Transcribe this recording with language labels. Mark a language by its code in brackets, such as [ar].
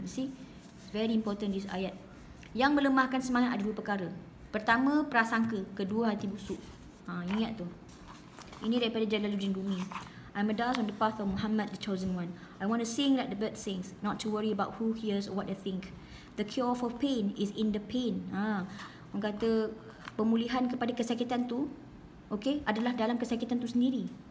[en] See, it's very important this ayat. [ms] Yang melemahkan semangat ada dua perkara. Pertama, prasangka. Kedua, hati busuk. Ha, ingat tu. Ini daripada Jalaluddin Rumi. [en] I'm a dust on the path of Muhammad, the chosen one. I want to sing like the bird sings, not to worry about who hears or what they think. The cure for pain is in the pain. [ms] Orang kata pemulihan kepada kesakitan tu, okay, adalah dalam kesakitan tu sendiri.